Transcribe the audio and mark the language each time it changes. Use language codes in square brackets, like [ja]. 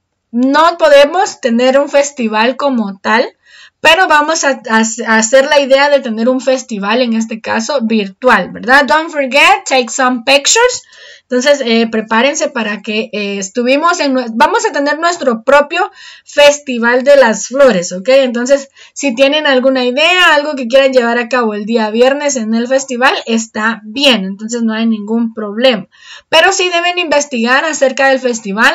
[es] No podemos tener un festival como tal, pero vamos a hacer la idea de tener un festival, en este caso virtual, ¿verdad? [en] Don't forget, take some pictures. [es] Entonces, prepárense para que estuvimos en... Vamos a tener nuestro propio Festival de las Flores, ¿ok? Entonces, si tienen alguna idea, algo que quieran llevar a cabo el día viernes en el festival, está bien. Entonces, no hay ningún problema. Pero sí deben investigar acerca del festival.